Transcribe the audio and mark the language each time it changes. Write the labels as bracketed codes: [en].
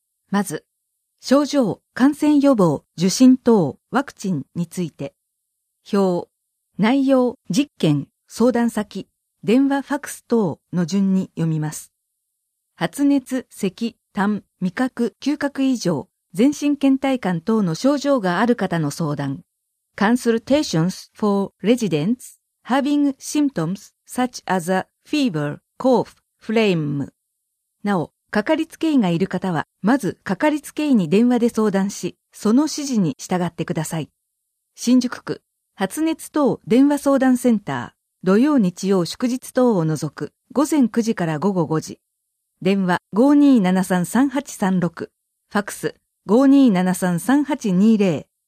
[ja] まず症状、感染予防、受診等、ワクチンについて表、内容、実験、相談先、電話、ファクス等の順に読みます。発熱、咳、痰、味覚、嗅覚異常、全身倦怠感等の症状がある方の相談。 [en] Consultations for residents having symptoms such as a fever, cough, phlegm。 [ja] なお、かかりつけ医がいる方は、まずかかりつけ医に電話で相談し、その指示に従ってください。新宿区、発熱等電話相談センター。土曜日曜祝日等を除く午前9時から午後5時。電話 5273-3836。ファクス 5273-3820。